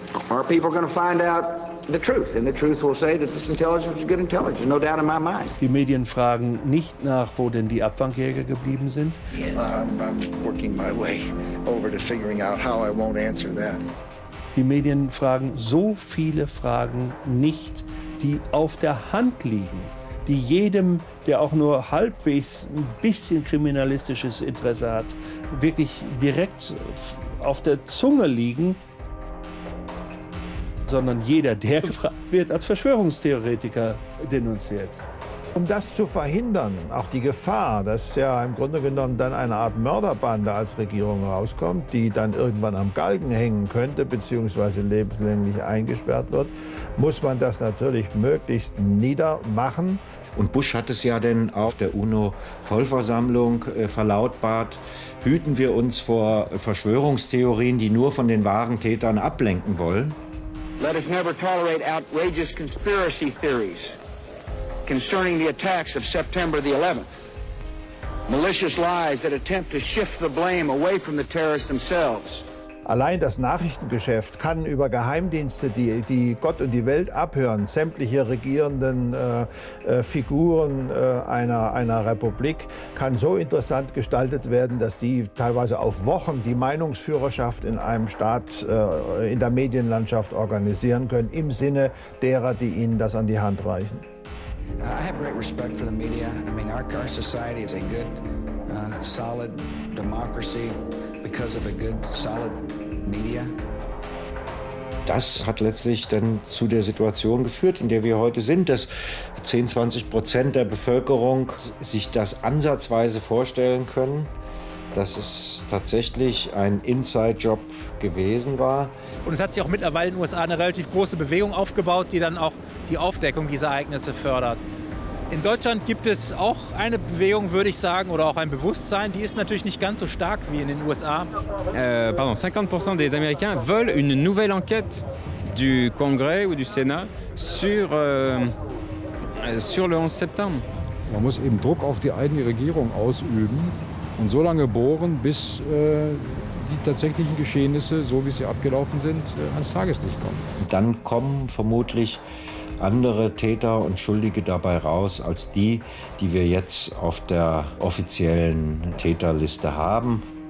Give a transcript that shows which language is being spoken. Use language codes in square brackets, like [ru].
[en] Our people gonna find out the truth, and the truth will say that this intelligence is good intelligence, no doubt in my mind. [de] Die Medien fragen nicht nach, wo denn die Abfangjäger geblieben sind. [en] Yes. I'm working my way over to figuring out how I won't answer that. [de] Die Medien fragen so viele Fragen nicht, die auf der Hand liegen, die jedem, der auch nur halbwegs ein bisschen kriminalistisches Interesse hat, wirklich direkt auf der Zunge liegen, sondern jeder, der gefragt wird, als Verschwörungstheoretiker denunziert. Um das zu verhindern, auch die Gefahr, dass ja im Grunde genommen dann eine Art Mörderbande als Regierung rauskommt, die dann irgendwann am Galgen hängen könnte bzw. lebenslänglich eingesperrt wird, muss man das natürlich möglichst niedermachen. Und Bush hat es ja denn auf der UNO-Vollversammlung verlautbart, hüten wir uns vor Verschwörungstheorien, die nur von den wahren Tätern ablenken wollen. [en] Let us never tolerate outrageous conspiracy theories concerning the attacks of September the 11th. Malicious lies that attempt to shift the blame away from the terrorists themselves. [de] Allein das Nachrichtengeschäft kann über Geheimdienste, die Gott und die Welt abhören, sämtliche regierenden Figuren einer Republik, kann so interessant gestaltet werden, dass die teilweise auf Wochen die Meinungsführerschaft in einem Staat in der Medienlandschaft organisieren können, im Sinne derer, die ihnen das an die Hand reichen. [en] I have great respect for the media. I mean, our society is a good, solid democracy because of a good, solid media. [de] Das hat letztlich dann zu der Situation geführt, in der wir heute sind, dass 10-20% der Bevölkerung sich das ansatzweise vorstellen können, dass es tatsächlich ein Inside-Job gewesen war. Und es hat sich auch mittlerweile in den USA eine relativ große Bewegung aufgebaut, die dann auch die Aufdeckung dieser Ereignisse fördert. In Deutschland gibt es auch eine Bewegung, würde ich sagen, oder auch ein Bewusstsein, die ist natürlich nicht ganz so stark wie in den USA. [fr] 50% des Américains veulent une nouvelle enquête du Congrès ou du Sénat sur le 11 septembre. [de] Man muss eben Druck auf die eigene Regierung ausüben und so lange bohren, bis die tatsächlichen Geschehnisse, so wie sie abgelaufen sind, ans Tageslicht kommen. Dann kommen vermutlich andere Täter und Schuldige dabei raus als die, die wir jetzt auf der offiziellen Täterliste haben.